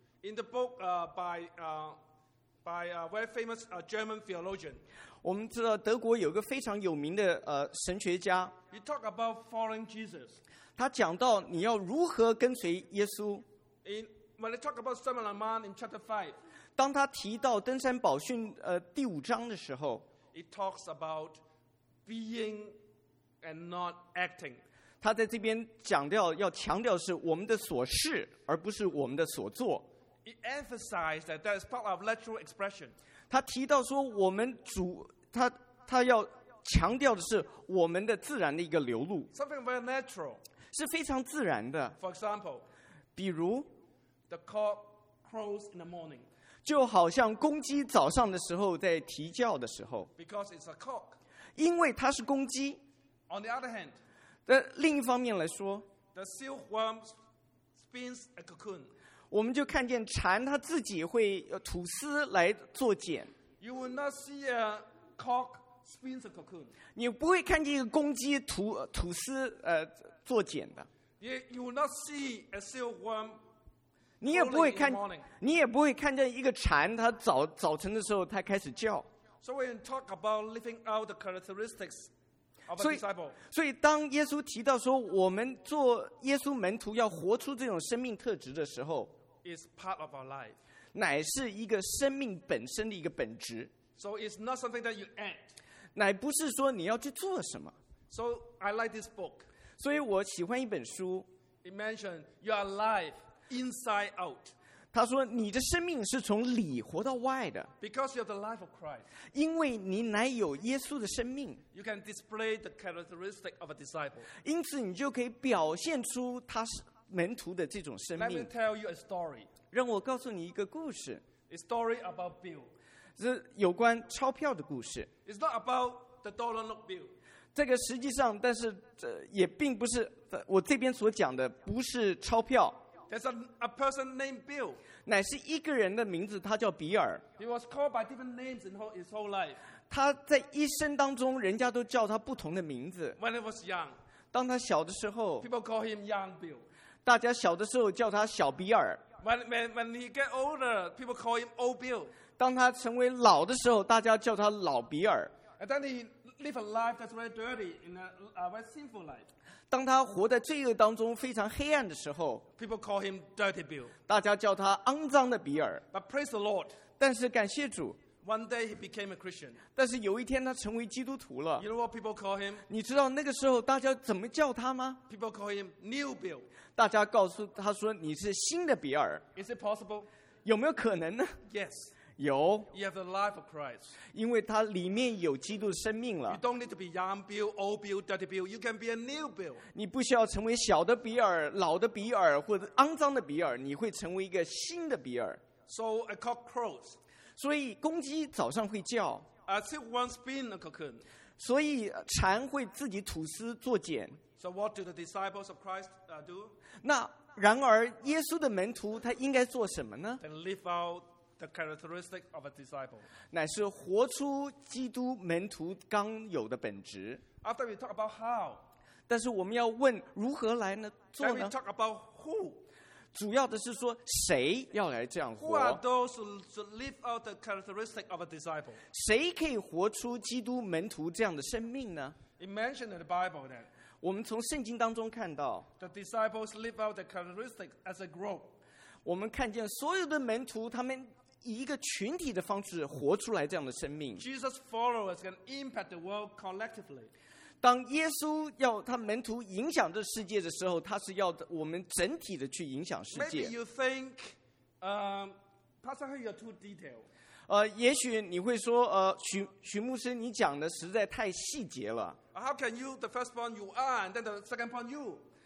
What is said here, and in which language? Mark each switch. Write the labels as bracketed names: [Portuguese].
[English] In the book by a very famous German theologian. [Chinese] 我们知道德国有个非常有名的神学家。 [English] He talked about following Jesus. [Chinese] 他讲到你要如何跟随耶稣。 [English] When he talked about Sermon on the Mount in chapter 5. [Chinese] 当他提到登山宝训第五章的时候。 [English] He talks about being and not acting. [Chinese] 他在这边讲到要强调是我们的所是而不是我们的所做。 [English] It emphasized that that is part of natural expression. [Chinese] 他提到说我们主他要强调的是我们的自然的一个流露。 [English] Something very natural. [Chinese] 是非常自然的。 [English] For example, [Chinese] 比如 [English] the cock crows in the morning. [Chinese] 就好像公鸡早上的时候在啼叫的时候。 [English] Because it's a cock. [Chinese] 因为它是公鸡。 [English] On the other hand, [Chinese] 的另一方面来说 [English] the silkworm spins a cocoon. [Chinese] 我们就看见蝉它自己会吐丝来做茧。 [English] You will not see a cock spin a cocoon. [Chinese] 你不会看见一个公鸡吐丝做茧的。 [English] You will not see a silkworm. [Chinese] 你也不会看见一个蝉它早晨的时候它开始叫。 [English] So when you talk about living out the characteristics of a disciple. [Chinese] 所以当耶稣提到说我们做耶稣门徒要活出这种生命特质的时候。 [English] Is part of our life. [Chinese] 乃是一个生命本身的一个本质。 [English] So it's not something that you act. [Chinese] 乃不是说你要去做什么。 [English] So I like this book. [Chinese] 所以我喜欢一本书。 [English] It mentioned you are alive inside out. [Chinese] 他说你的生命是从里活到外的。 [English] Because you have the life of Christ. [Chinese] 因为你乃有耶稣的生命。 [English] You can display the characteristic of a disciple. [Chinese] 因此你就可以表现出他是。门徒的这种生命。 [English] Let me tell you a story. [Chinese] 让我告诉你一个故事。 [English] A story about Bill. [Chinese] 是有关钞票的故事。 [English] It's not about the dollar note bill. [Chinese] 这个实际上，但是这也并不是我这边所讲的，不是钞票。 [English] There's a person named Bill. [Chinese] 乃是一个人的名字，他叫比尔。 [English] He was called by different names in his whole life. [Chinese] 他在一生当中，人家都叫他不同的名字。 [English] When he was young. [Chinese] 当他小的时候。 [English] People call him Young Bill. [Chinese] 大家小的时候叫他小比尔。 [English] When he get older, people call him Old Bill. [Chinese] 当他成为老的时候，大家叫他老比尔。 [English] And then he live a life that's very dirty in a very sinful life. [Chinese] 当他活在罪恶当中非常黑暗的时候 [English] ，people call him Dirty Bill. [Chinese] 大家叫他肮脏的比尔。 [English] But praise the Lord. [Chinese] 但是感谢主。 [English] One day he became a Christian. [Chinese] 但是有一天他成为基督徒了。 [English] You know what people call him? [Chinese] 你知道那个时候大家怎么叫他吗 [English] ？People call him New Bill. [Chinese] 大家告诉他说你是新的比尔。 [English] Is it possible? [Chinese] 有没有可能呢 [English] ？Yes. [Chinese] 有。 [English] You have the life of Christ. [Chinese] 因为他里面有基督的生命了。 [English] You don't need to be young Bill, old Bill, dirty Bill. You can be a new Bill. [Chinese] 你不需要成为小的比尔、老的比尔或者肮脏的比尔，你会成为一个新的比尔。 [English] So a cock crows. [Chinese] 所以公鸡早上会叫 [English] a silkworm spin a cocoon. [Chinese] 所以蝉会自己吐丝做茧 [English] So what do the disciples of Christ do? [Chinese] 那然而耶稣的门徒他应该做什么呢 [English] They live out the characteristic of a disciple. [Chinese] 乃是活出基督门徒刚有的本质 [English] After we talk about how. [Chinese] 但是我们要问如何来呢做呢 [English] Then we talk about who. [Chinese] 主要的是说谁要来这样活 [English] Who are those who live out the characteristic of a disciple? [Chinese] 谁可以活出基督门徒这样的生命呢 [English] It mentioned in the Bible that [Chinese] 我们从圣经当中看到 [English] The disciples live out the characteristic as a group [Chinese] 我们看见所有的门徒他们一个群体的方式活出来这样的生命。 [English] Jesus followers can impact the world collectively. [Chinese] 当耶稣要他门徒影响这世界的时候，他是要我们整体的去影响世界。 [English] Maybe you think, Pastor He, you're too detailed. [Chinese] 也许你会说，徐牧师，你讲的实在太细节了。 [English] How can you, the first point you are, and then the second point you?